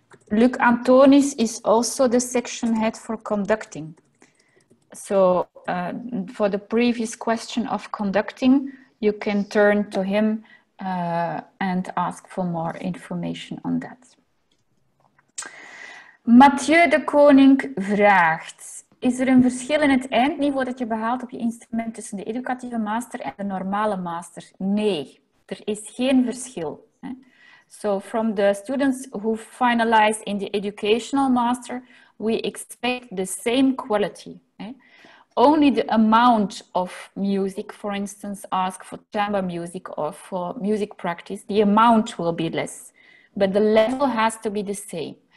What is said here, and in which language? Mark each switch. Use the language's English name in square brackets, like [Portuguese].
[English] Luc Antonis is also the section head for conducting. So for the previous question of conducting, you can turn to him and ask for more information on that. [Dutch] Mathieu de Koning vraagt, is er een verschil in het eindniveau dat je behaalt op je instrument tussen de educatieve master en de normale master? Nee, er is geen verschil. [English] So from the students who finalize in the educational master, we expect the same quality. Only the amount of music, for instance, ask for chamber music or for music practice, the amount will be less, but the level has to be the same.